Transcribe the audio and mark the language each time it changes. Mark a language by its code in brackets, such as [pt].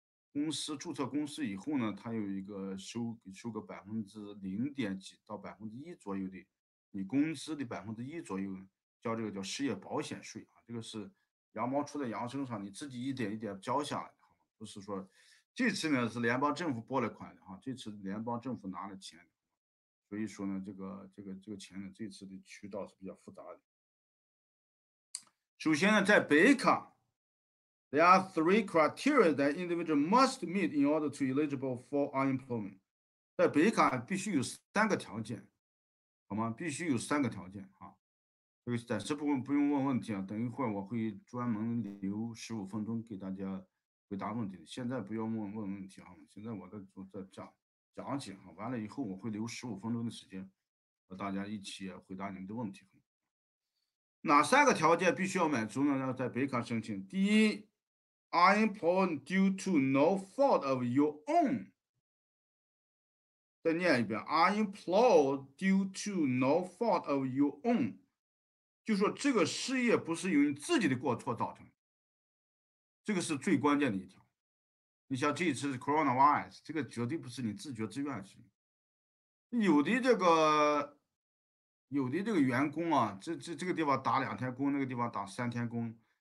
[zh] 公司注册公司以后呢，他有一个收个0.几%到1%左右的，你工资的1%左右交这个叫失业保险税啊，这个是羊毛出在羊身上，你自己一点一点交下来，好吗？不是说这次呢是联邦政府拨了款的哈，这次联邦政府拿了钱，所以说呢这个钱呢这次的渠道是比较复杂的。首先呢，在北卡。 [en] There are three criteria that individual must meet in order to eligible for unemployment. [zh] 在北卡必须有三个条件，好吗？必须有三个条件啊。这个暂时不用问问题啊，等一会儿我会专门留15分钟给大家回答问题。现在不要问问题啊，现在我在讲解啊，完了以后我会留15分钟的时间和大家一起回答你们的问题。哪三个条件必须要满足呢？要在北卡申请，第一。 [en] Unemployment due to no fault of your own. [zh] 再念一遍 [en] ，Unemployed due to no fault of your own. [zh] 就说这个失业不是由你自己的过错造成，这个是最关键的一条。你像这次 coronavirus， 这个绝对不是你自觉自愿性。有的这个员工啊，这个地方打两天工，那个地方打三天工。